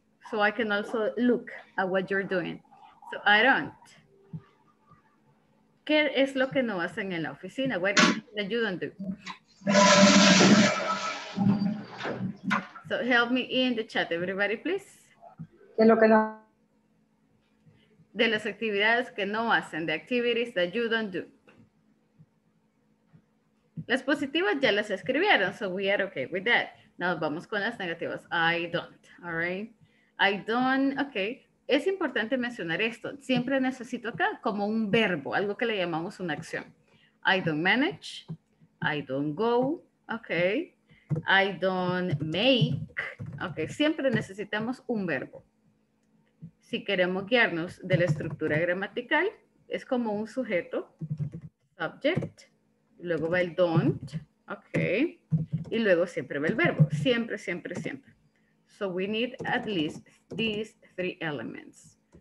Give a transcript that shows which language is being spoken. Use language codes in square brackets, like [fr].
[en] So I can also look at what you're doing. So I don't. [es] ¿Qué es lo que no hacen en la oficina? [en] What is it that you don't do? So help me in the chat, everybody, please. [es] De lo que no. De las actividades que no hacen, [en] the activities that you don't do. [es] Las positivas ya las escribieron, [en] so we are okay with that. Now [es] vamos con las negativas. [en] I don't, all right? I don't, okay. [es] Es importante mencionar esto. Siempre necesito acá como un verbo, algo que le llamamos una acción. [en] I don't manage. I don't go, okay. I don't make, okay. [es] Siempre necesitamos un verbo. Si queremos guiarnos de la estructura gramatical, es como un sujeto, subject, luego va el don't, okay. Y luego siempre va el verbo, siempre, siempre, siempre. [en] So we need at least these three elements.